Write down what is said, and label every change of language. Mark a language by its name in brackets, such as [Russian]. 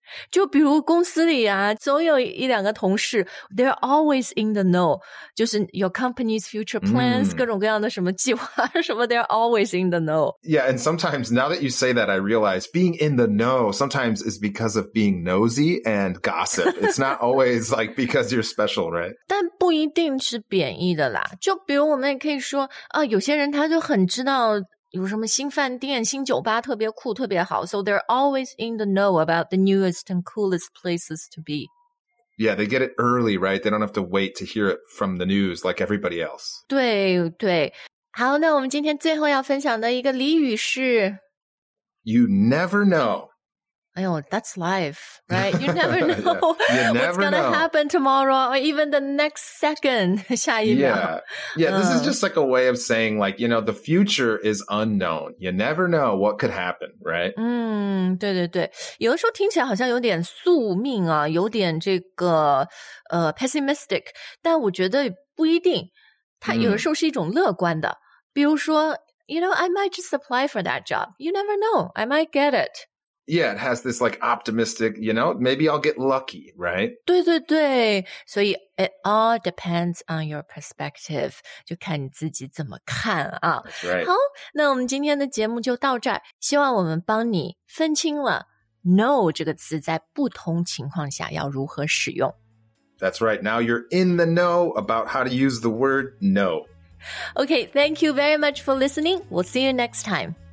[Chinese] 就比如公司里啊总有一两个同事 [English] they're always in the know, [Chinese] 就是 [English] your company's future plans,、 [Chinese] 各种各样的什么计划什么 [English] they're always in the know. Yeah, and sometimes, now that you say that, I realize being in the know sometimes is because of being nosy and gossip. It's not always like because you're special, right? [Chinese] 但不一定是贬义的啦。就比如我们也可以说啊有些人他就很知道有什么新饭店、新酒吧特别酷、特别好。 [English] So they're always in the know about the newest and coolest places to be. Yeah, they get it early, right? They don't have to wait to hear it from the news like everybody else. [Chinese] 对对。好，那我们今天最后要分享的一个俚语是 [English] You never know. 哎呦 that's life, right? You never know yeah, you never what's gonna know. Happen tomorrow or even the next second, [Chinese] 下一秒。 [English] Yeah, yeah this is just like a way of saying like, you know, the future is unknown. You never know what could happen, right? [Chinese] 对对对。有的时候听起来好像有点宿命啊有点这个pessimistic, 但我觉得不一定它有的时候是一种乐观的。比如说 [English] you know, I might just apply for that job. You never know, I might get it. Yeah, it has this like optimistic, you know, maybe I'll get lucky, right? [Chinese] 对对对。所以 [English] it all depends on your perspective. [Chinese] 就看你自己怎么看啊。 [English] That's right. [Chinese] 好那我们今天的节目就到这儿。希望我们帮你分清了 know 这个词在不同情况下要如何使用。 [English] That's right. Now you're in the know about how to use the word know. Okay, thank you very much for listening. We'll see you next time.